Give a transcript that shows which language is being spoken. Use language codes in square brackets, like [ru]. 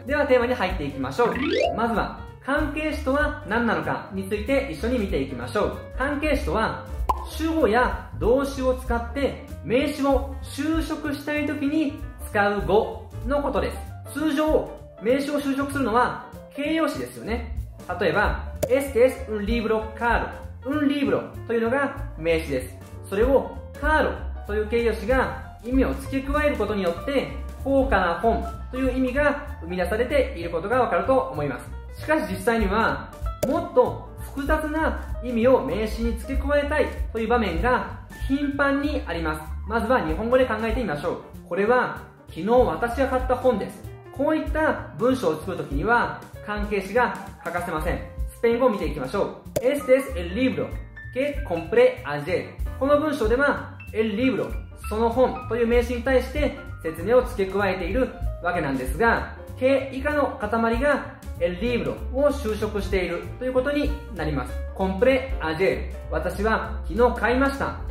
[ja] ではテーマに入っていきましょう。まずは関係詞とは何なのかについて一緒に見ていきましょう。関係詞とは主語や動詞を使って名詞を修飾したいときに使う語のことです。通常名詞を修飾するのは形容詞ですよね。例えば [es] Este es un libro caro、 [ja] un libro というのが名詞です。それを caro という形容詞が意味を付け加えることによって高価な本という意味が生み出されていることがわかると思います。しかし実際にはもっと複雑な意味を名詞に付け加えたいという場面が頻繁にあります。まずは日本語で考えてみましょう。これは昨日私が買った本です。こういった文章を作るときには関係詞が欠かせません。スペイン語を見ていきましょう。 [es] Este es el libro que compré ayer。 [ja] この文章では el libro、 その本という名詞に対して説明を付け加えているわけなんですが、 que 以下の塊がエリブロを修飾しているということになります。コンプレアジェル、私は昨日買いました。